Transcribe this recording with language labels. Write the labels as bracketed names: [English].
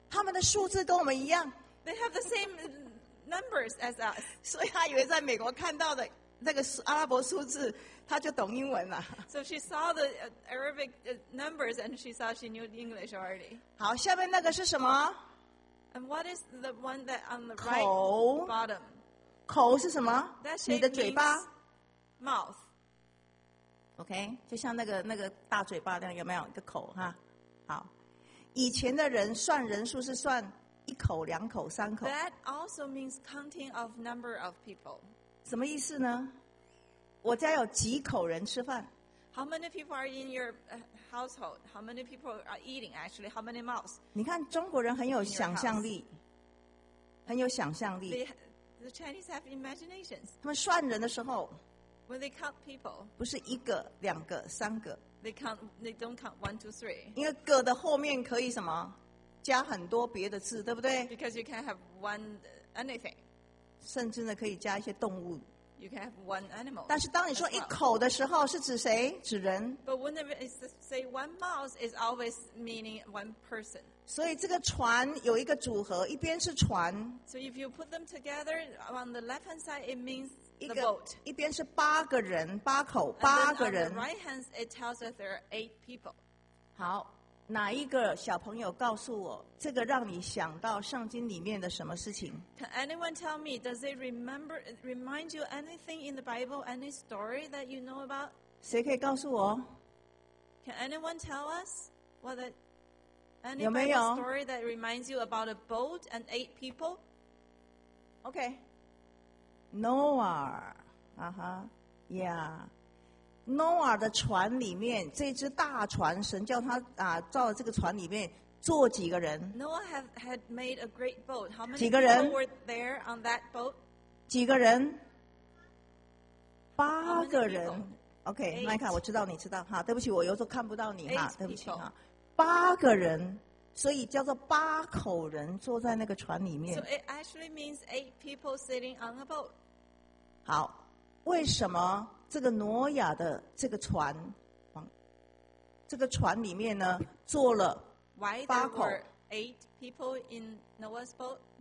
[Chinese] 他们的数字跟我们一样。 [English] They have the same numbers as us. [Chinese] 所以她以为在美国看到的那个阿拉伯数字。他就懂英文了。 [English] So she saw the Arabic numbers and she saw she knew English already. [Chinese] 好，下面那个是什么？ [English] And what is the one that on the right bottom? [Chinese] 口是什么？ [English] That shape [Chinese] 你的嘴巴。 [English] Mouth. [Chinese] OK, 就像那个大嘴巴那样，有没有一个口哈？好，以前的人算人数是算一口、两口、三口。 [English] That also means counting of number of people. [Chinese] 什么意思呢？我家有几口人吃饭 [English] ？How many people are in your household? How many people are eating? Actually, how many mouths? [Chinese] 你看中国人很有想象力，很有想象力。 [English] The Chinese have imaginations. [Chinese] 他们算人的时候 [English] ，When they count people, [Chinese] 不是一个、两个、三个。 [English] They don't count one, two, three. [Chinese] 因为个的后面可以什么？加很多别的字，对不对 [English] ？Because you can have one anything. [Chinese] 甚至呢，可以加一些动物。 [English] You can have one animal. [Chinese] 但是当你说一口的时候，是指谁？指人。 [English] But when it say one mouth, is always meaning one person. [Chinese] 所以这个船有一个组合，一边是船。 [English] So if you put them together on the left hand side, it means the boat. [Chinese] 一边是八个人，八口，八个人。 [English] And then on the right hand, it tells us there are 8 people. [Chinese] 好，哪一个小朋友告诉我，这个让你想到圣经里面的什么事情？ [English] Can anyone tell me, does it remind you anything in the Bible, any story that you know about? [Chinese] 谁可以告诉我？ [English] Can anyone tell us what any Bible story that reminds you about a boat and 8 people? Okay. Noah. Uh-huh. Yeah. [Chinese] 诺亚的船里面，这只大船，神叫他啊，造这个船里面坐几个人 [English] ？Noah had made a great boat. How many people were there on that boat? [Chinese] 几个人？八个人。OK, Mike, 我知道你知道哈，对不起，我有时候看不到你哈，对不起哈。八个人，所以叫做八口人坐在那个船里面。 [English] So it actually means eight people sitting on a boat. [Chinese] 好，为什么这个挪亚的这个船，这个船里面呢坐了八口 [English] ？Why there were eight people in Noah's boat?